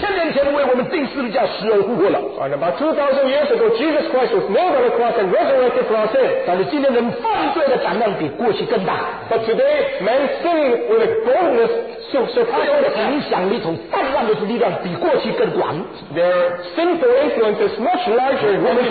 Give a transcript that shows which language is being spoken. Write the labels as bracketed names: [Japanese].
[Chinese] 耶稣基督拯救世界，就从2000年前为我们钉十字架死而复活了。 [English] And about 2,000 years ago, Jesus Christ was nailed on the cross and resurrected from our sins. [Chinese] 但是今天人犯罪的胆量比过去更大。 [English] But today, men sin with a boldness. Their sinful influence is much larger than we